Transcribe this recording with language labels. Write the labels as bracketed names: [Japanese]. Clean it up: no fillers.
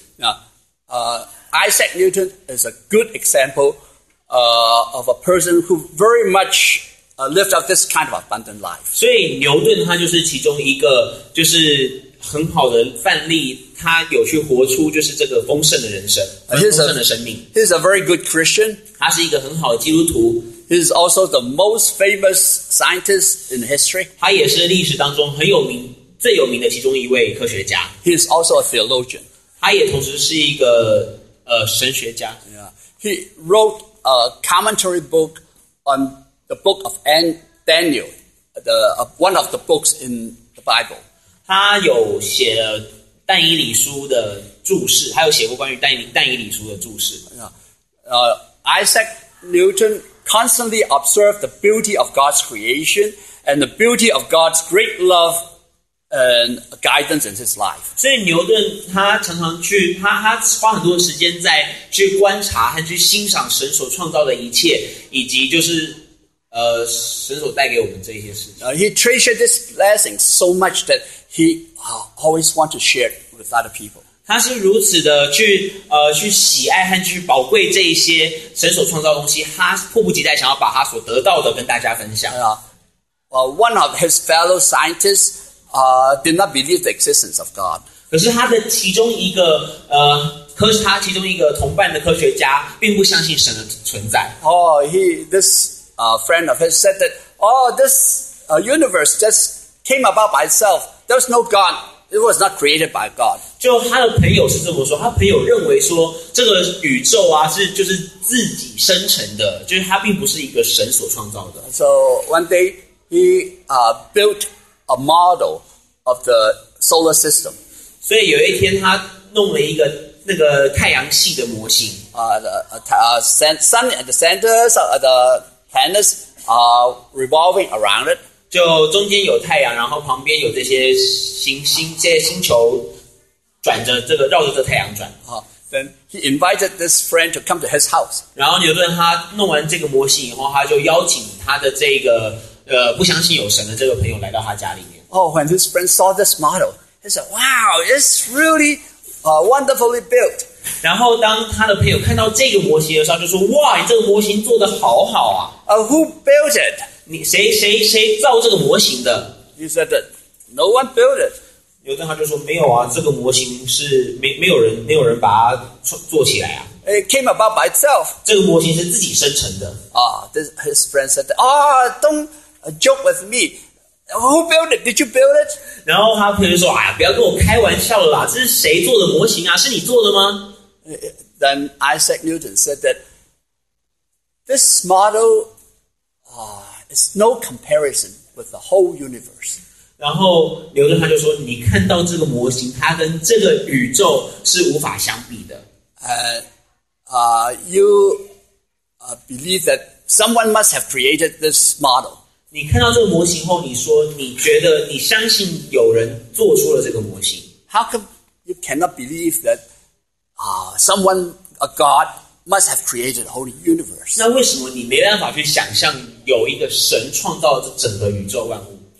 [English] Isaac Newton is a good example of a person who very much lived out this kind of abundant life. [Chinese] 所以牛顿他就是其中一个，就是。很好的范例，他有去活出就是这个丰盛的人生，丰盛的生命。 [English] He's a very good Christian. [Chinese] 他是一个很好的基督徒。 [English] He's also the most famous scientist in history. [Chinese] 他也是历史当中很有名、最有名的其中一位科学家。 [English] He's also a theologian. [Chinese] 他也同时是一个神学家。 [English] Yeah. He wrote a commentary book on the book of Daniel, one of the books in the Bible. [Chinese] 他有写了但以理书的注释，还有写过关于但以理书的注释。 [English] Isaac Newton constantly observed the beauty of God's creation and the beauty of God's great love and guidance in his life. [Chinese] 所以牛顿他常常去，他花很多时间在去观察和去欣赏神所创造的一切，以及就是。神所带给我们这些事情。 [English] He treasured this blessing so much that he always wants to share with other people. [Chinese] 他是如此的去喜爱和去宝贵这一些神所创造的东西，他迫不及待想要把他所得到的跟大家分享。 [English] One of his fellow scientists did not believe the existence of God. [Chinese] 可是他的其中一个他其中一个同伴的科学家并不相信神的存在。 [English] A friend of his said that, oh, this universe just came about by itself. There was no God. It was not created by God. [Chinese] 就他的朋友是这么说，他朋友认为说这个宇宙啊是就是自己生成的，就是它并不是一个神所创造的。 [English] So one day he built a model of the solar system. [Chinese] 所以有一天他弄了一个那个太阳系的模型。 [English] Sun at the center, the planets are revolving around it. [Chinese] 就中间有太阳，然后旁边有这些星，这些星球转着这个绕着这太阳转。 [English] Then he invited this friend to come to his house. [Chinese] 然后牛顿他弄完这个模型以后，他就邀请他的这个不相信有神的这个朋友来到他家里面。 [English] When this friend saw this model, he said, "Wow, it's really wonderfully built." [Chinese] 然后当他的朋友看到这个模型的时候，就说：哇，你这个模型做得好好啊。 [English] Who built it? [Chinese] 谁造这个模型的？ [English] He said that no one built it. [Chinese] 牛顿他就说，没有啊，这个模型是 没有人把它做起来啊。 [English] It came about by itself. [Chinese] 这个模型是自己生成的。 [English] His friend said that, don't joke with me. Who built it? Did you build it? [Chinese] 然后他朋友说：“哎呀，不要跟我开玩笑了啦！这是谁做的模型啊？是你做的吗？” [English] Then Isaac Newton said that this model is no comparison with the whole universe. [Chinese] 然后牛顿他就说：“你看到这个模型，它跟这个宇宙是无法相比的。 [English] You believe that someone must have created this model.” [Chinese] 你看到这个模型后，你说你觉得你相信有人做出了这个模型。 [English] How come you cannot believe that someone, a God, must have created the whole universe? [Chinese] 那为什么你没办法去想象有一个神创造了整个宇宙万物？